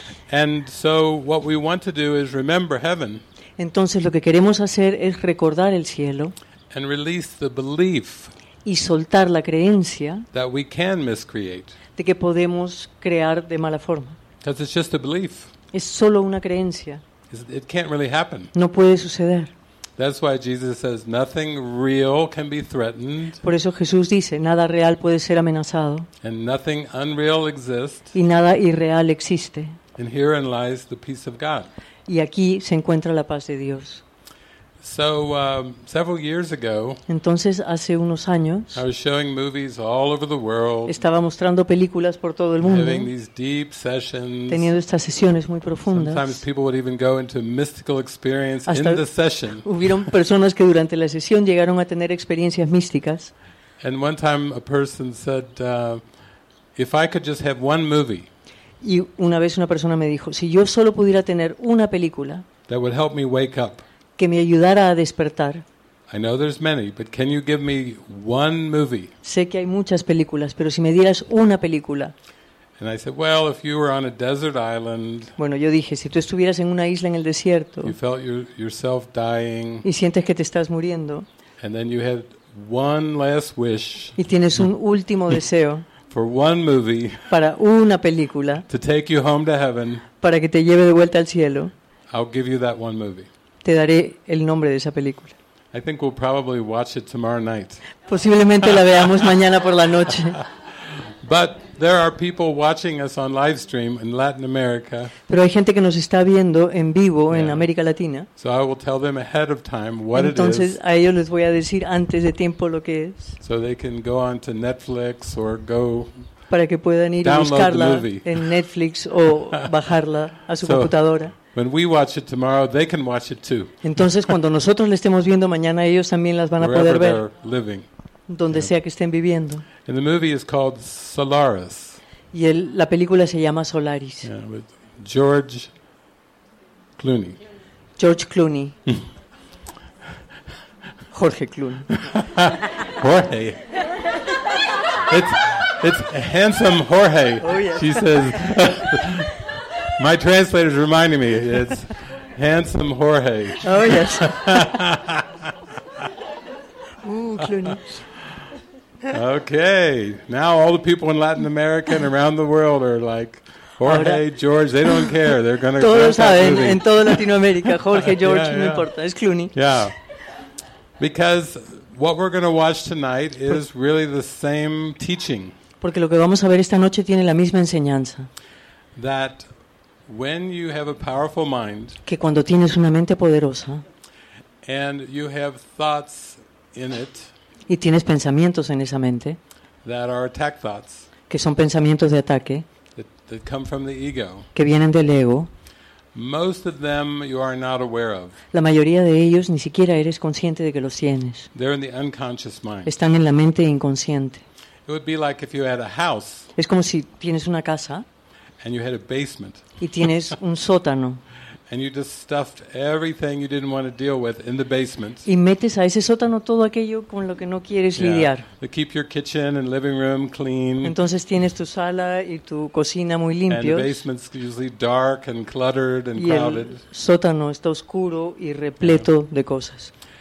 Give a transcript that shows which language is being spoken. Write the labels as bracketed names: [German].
[English] And so what we want to do is remember heaven. [Spanish] Entonces lo que queremos hacer es recordar el cielo. [English] And release the belief. [Spanish] Y soltar la creencia. [English] That we can miscreate. [Spanish] De que podemos crear de mala forma. [English] Because it's just a belief. [Spanish] Es solo una creencia. [English] It can't really happen. [Spanish] No puede suceder. [English] That's why Jesus says nothing real can be threatened. [Spanish] Por eso Jesús dice, nada real puede ser amenazado. [English] And nothing unreal exists. [Spanish] Y nada irreal existe. [English] And herein lies the peace of God. [Spanish] Y aquí se encuentra la paz de Dios. [English] So several years ago, [Spanish] entonces hace unos años, [English] I was showing movies all over the world. [Spanish] Estaba mostrando películas por todo el mundo. [English] Having these deep sessions, [Spanish] teniendo estas sesiones muy profundas. [English] Sometimes people would even go into mystical experience in the session. [Spanish] Hubieron personas que durante la sesión llegaron a tener experiencias místicas. [English] And one time, a person said, "If I could just have one movie." [Spanish] Y una vez una persona me dijo, si yo solo pudiera tener una película, [English] that would help me wake up. [Spanish] Que me ayudara a despertar. [English] I know there's many, but can you give me one movie? [Spanish] Sé que hay muchas películas, pero si me dieras una película. [English] And I said, well, if you were on a desert island. [Spanish] Bueno, yo dije, si tú estuvieras en una isla en el desierto. [English] You felt yourself dying. [Spanish] Y sientes que te estás muriendo. [English] And then you had one last wish. [Spanish] Y tienes un último deseo. [English] For one movie. [Spanish] Para una película. [English] To take you home to heaven. [Spanish] Para que te lleve de vuelta al cielo. [English] I'll give you that one movie. [Spanish] Te daré el nombre de esa película. [English] I think we'll probably watch it tomorrow night. [Spanish] Posiblemente la veamos mañana por la noche. [English] But there are people watching us on live stream in Latin America. [Spanish] Pero hay gente que nos está viendo en vivo en América Latina. [English] So I will tell them ahead of time what [Spanish] entonces, [English] it is. [Spanish] Entonces a ellos les voy a decir antes de tiempo lo que es. [English] So they can go on to Netflix or go. [Spanish] Para que puedan ir a buscarla en Netflix o bajarla a su computadora. [English] When we watch it tomorrow, they can watch it too. [Spanish] Entonces, cuando nosotros le estemos viendo mañana, ellos también las van a poder ver. [English] Wherever they're living. [Spanish] Donde sea que estén viviendo. [English] And the movie is called Solaris. [Spanish] Y la película se llama Solaris. [English] Yeah, with George Clooney. George Clooney. [Spanish] Jorge Clooney. Jorge. [English] It's handsome Jorge. Oh, yes. She says... My translator is reminding me, it's handsome Jorge. Oh, yes. Ooh, Clooney. Okay, now all the people in Latin America and around the world are like, Jorge, ahora, George, they don't care, they're going to [Spanish] todos saben, en toda Latinoamérica, Jorge, George, yeah, yeah. No importa, es Clooney. [English] Yeah, because what we're going to watch tonight is really the same teaching. [Spanish] Porque lo que vamos a ver esta noche tiene la misma enseñanza. [English] That... When you have a powerful mind, [Spanish] que cuando tienes una mente poderosa, [English] and you have thoughts in it, [Spanish] y tienes pensamientos en esa mente, [English] that are attack thoughts, [Spanish] que son pensamientos de ataque, [English] that come from the ego, [Spanish] que vienen del ego, [English] most of them you are not aware of. [Spanish] La mayoría de ellos ni siquiera eres consciente de que los tienes. [English] They're in the unconscious mind. [Spanish] Están en la mente inconsciente. [English] It would be like if you had a house. [Spanish] Es como si tienes una casa. [English] And you had a basement. [Spanish] Y tienes un sótano. [English] And you just stuffed everything you didn't want to deal with in the basement. [Spanish] Y metes a ese sótano todo aquello con lo que no quieres lidiar. [English] To keep your kitchen and living room clean. [Spanish] Entonces tienes tu sala y tu cocina muy limpios. [English] And the basement's usually dark and cluttered and crowded. [Spanish] Y el sótano está oscuro y repleto de cosas.